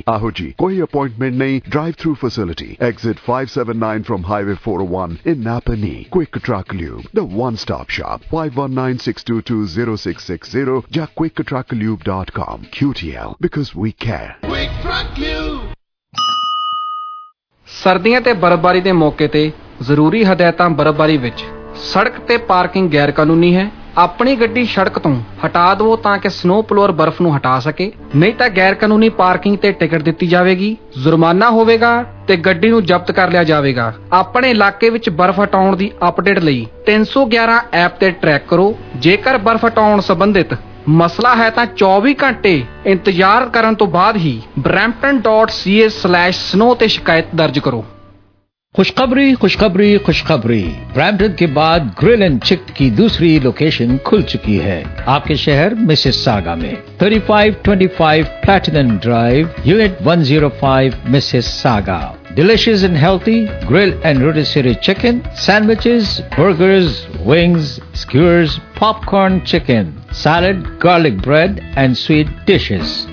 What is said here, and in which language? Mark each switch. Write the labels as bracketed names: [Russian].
[Hindi] आहो जी कोई अपॉइंटमेंट नहीं [English] drive through facility exit 579 from highway 401 in Napanee quick truck lube the one stop shop 5196220660 जा quicktrucklube.com QTL because we care [Punjabi] ਸਰਦੀਆਂ ਤੇ ਬਰਫਬਾਰੀ ਦੇ ਮੌਕੇ ਤੇ ਜ਼ਰੂਰੀ ਹਦਾਇਤਾਂ ਬਰਫਬਾਰੀ ਵਿੱਚ ਸੜਕ ਤੇ ਪਾਰਕਿੰਗ ਗੈਰ ਕਾਨੂੰਨੀ ਹੈ ਆਪਣੀ ਗੱਡੀ ਸੜਕ ਤੋਂ ਹਟਾ ਦਿਓ ਤਾਂ ਕਿ ਸਨੋਅ ਪਲੋਅਰ ਬਰਫ਼ ਨੂੰ ਹਟਾ ਸਕੇ ਨਹੀਂ ਤਾਂ ਗੈਰ ਕਾਨੂੰਨੀ ਪਾਰਕਿੰਗ ਤੇ ਟਿਕਟ ਦਿੱਤੀ ਜਾਵੇਗੀ ਜੁਰਮਾਨਾ ਹੋਵੇਗਾ ਤੇ ਗੱਡੀ ਨੂੰ ਜ਼ਬਤ ਕਰ ਲਿਆ ਜਾਵੇਗਾ ਆਪਣੇ ਇਲਾਕੇ ਵਿੱਚ ਬਰਫ਼ ਹਟਾਉਣ ਦੀ ਅਪਡੇਟ ਲਈ 311 ਐਪ ਤੇ ਟਰੈਕ ਕਰੋ ਜੇਕਰ ਬਰਫ਼ ਹਟਾਉਣ ਸੰਬੰਧਿਤ ਮਸਲਾ ਹੈ ਤਾਂ 24 ਘੰਟੇ ਇੰਤਜ਼ਾਰ ਕਰਨ ਤੋਂ ਬਾਅਦ ਹੀ brampton.ca/snow ਤੇ ਸ਼ਿਕਾਇਤ ਦਰਜ ਕਰੋ [Hindi] खुशखबरी खुशखबरी खुशखबरी ब्रैम्पटन के बाद ग्रिल एंड चिक की दूसरी लोकेशन खुल चुकी है आपके शहर मिसेस सागा में 3525 platinum drive unit 105 Mrs saga [English] Delicious and healthy grill and rotisserie chicken, sandwiches, burgers, wings, skewers, popcorn chicken, salad, garlic bread and sweet dishes.